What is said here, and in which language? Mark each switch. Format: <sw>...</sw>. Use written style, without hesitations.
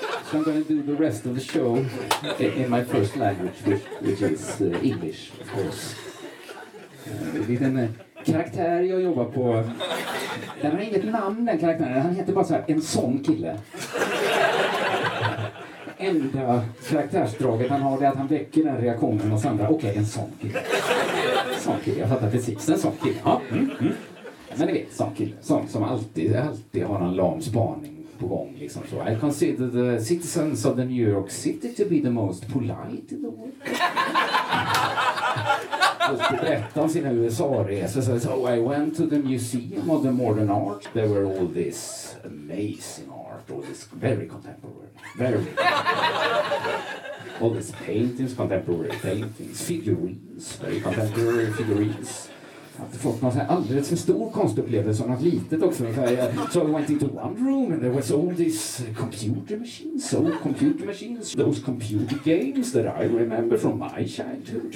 <en>So I'm going to do the rest of the show in my first language, which is English, of course.</en> <sv>En liten karaktär jag jobbar på. Den har inget namn, den karaktären. Han heter bara så här, en sån kille. Enda karaktärsdraget han har är att han väcker den reaktionen hos andra. Okej, en sån kille. Jag fattar precis, en sån kille. Ja, Men ni vet, sån kille, sån som alltid har en lam spaning på gång liksom så.</sv> <en>I consider the citizens of the New York City to be the most polite in the world.</en> <sv>Alltid berättar om sina USA-resor.</sv> <en>So I went to the Museum of the Modern Art. There were all this amazing art, all this very contemporary. Very contemporary. All this paintings, contemporary paintings, figurines, very contemporary figurines.</en> <sv>Att det fått någon alldeles för stor konstupplevelse, något litet också.</sv> <en>So I went into one room and there was all these computer machines, those computer games that I remember from my childhood.</en>